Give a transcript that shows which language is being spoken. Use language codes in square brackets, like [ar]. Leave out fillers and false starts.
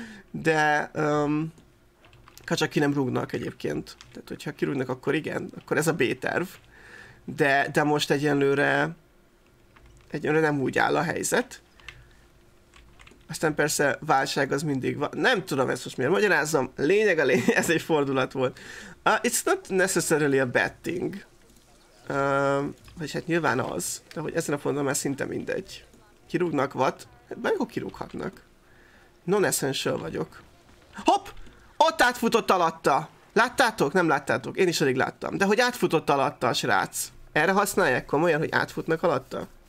[hu] De ha csak ki nem rúgnak egyébként. Tehát hogyha kirúgnak, akkor igen, akkor ez a B-terv. De most egyenlőre nem úgy áll a helyzet. Aztán persze válság az mindig van. Nem tudom ezt most miért magyarázom. Lényeg a lényeg, ez egy fordulat volt. [en] It's not necessarily a bad thing. [hu] Vagy hát nyilván az. De hogy ezen a ponton már szinte mindegy. Kirúgnak vat? Hát bármikor kirúghatnak. Non-essential vagyok. Hopp! Ott átfutott alatta! Láttátok? Nem láttátok? Én is alig láttam. De hogy átfutott alatta a srác? Erre használják komolyan, hogy átfutnak alatta?